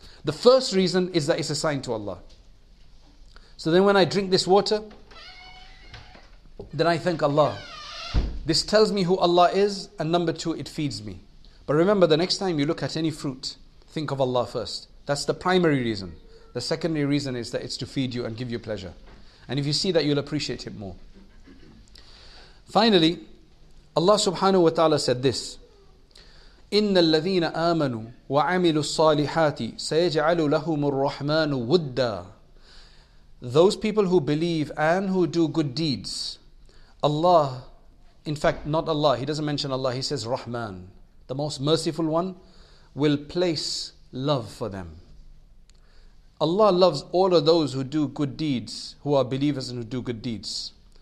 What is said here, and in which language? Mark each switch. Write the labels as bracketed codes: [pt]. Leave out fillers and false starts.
[en] The first reason is that it's a sign to Allah. So then when I drink this water, then I thank Allah. This tells me who Allah is, and number two, it feeds me. But remember, the next time you look at any fruit, think of Allah first. That's the primary reason. The secondary reason is that it's to feed you and give you pleasure. And if you see that, you'll appreciate it more. [ar] Finally, Allah subhanahu wa ta'ala said this, إِنَّ الَّذِينَ آمَنُوا وَعَمِلُوا الصَّالِحَاتِ سَيَجْعَلُ لَهُمُ الرَّحْمَانُ وُدَّا. [en] Those people who believe and who do good deeds, Allah, in fact, not Allah, He doesn't mention Allah, He says Rahman, the most merciful one, will place love for them. Allah loves all of those who do good deeds, who are believers and who do good deeds.